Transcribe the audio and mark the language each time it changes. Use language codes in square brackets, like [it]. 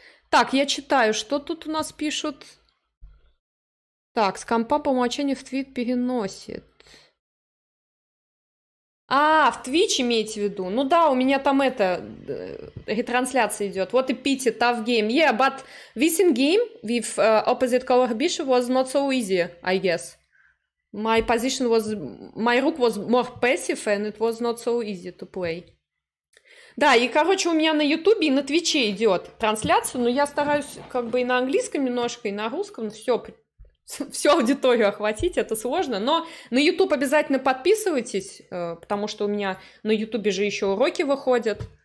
[ru] Так, я читаю, что тут у нас пишут. Так, с компа по умолчанию в твит переносит. А, в Твич имеете в виду? Ну да, у меня там это, ретрансляция идет. Вот и Питти, [en] tough game. Yeah, but this in game with opposite color bishop was not so easy, I guess. My position was, my rook was more passive and it was not so easy to play. [ru] Да, и короче, у меня на Ютубе и на Твиче идет трансляция, но я стараюсь как бы и на английском немножко, и на русском, всю аудиторию охватить, это сложно. Но на YouTube обязательно подписывайтесь, потому что у меня на YouTube же еще уроки выходят.